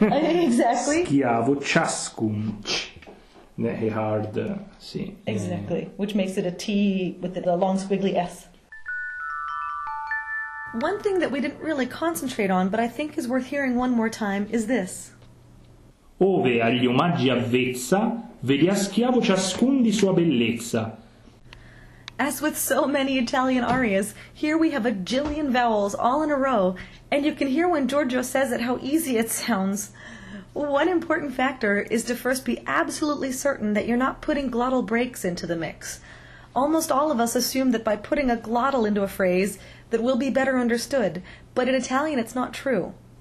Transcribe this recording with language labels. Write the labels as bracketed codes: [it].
[en] Exactly. [it] Schiavo ciascun. [en] The hard C. Exactly, which makes it a T with the long squiggly S. One thing that we didn't really concentrate on, but I think is worth hearing one more time, is this. [it] Ove agli omaggi avvezza, vedi a schiavo ciascun di sua bellezza. [en] As with so many Italian arias, here we have a jillion vowels all in a row, and you can hear when Giorgio says it how easy it sounds. One important factor is to first be absolutely certain that you're not putting glottal breaks into the mix. Almost all of us assume that by putting a glottal into a phrase that will be better understood, but in Italian it's not true.